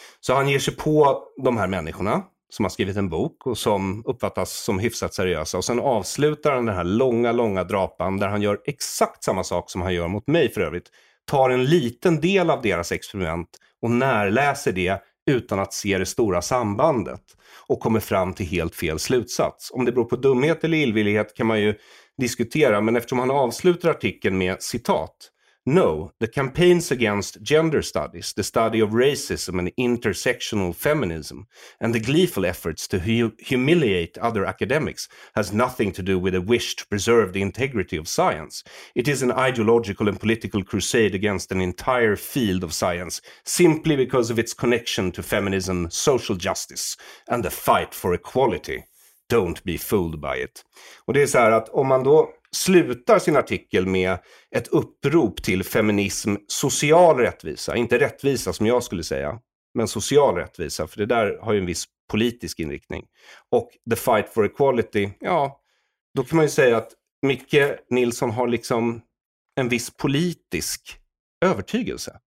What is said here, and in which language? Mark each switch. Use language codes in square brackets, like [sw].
[sv] Så han ger sig på de här människorna som har skrivit en bok och som uppfattas som hyfsat seriösa, och sen avslutar han den här långa, långa drapan där han gör exakt samma sak som han gör mot mig för övrigt. Tar en liten del av deras experiment och närläser det utan att se det stora sambandet. Och kommer fram till helt fel slutsats. Om det beror på dumhet eller illvillighet kan man ju diskutera. Men eftersom han avslutar artikeln med citat. [en] No, the campaigns against gender studies, the study of racism and intersectional feminism, and the gleeful efforts to humiliate other academics has nothing to do with a wish to preserve the integrity of science. It is an ideological and political crusade against an entire field of science, simply because of its connection to feminism, social justice, and the fight for equality. Don't be fooled by it. [sv] Och det är så här att om man då slutar sin artikel med ett upprop till feminism, social rättvisa, inte rättvisa som jag skulle säga, men social rättvisa, för det där har ju en viss politisk inriktning. Och [en] the fight for equality, [sv] ja, då kan man ju säga att Micke Nilsson har liksom en viss politisk övertygelse.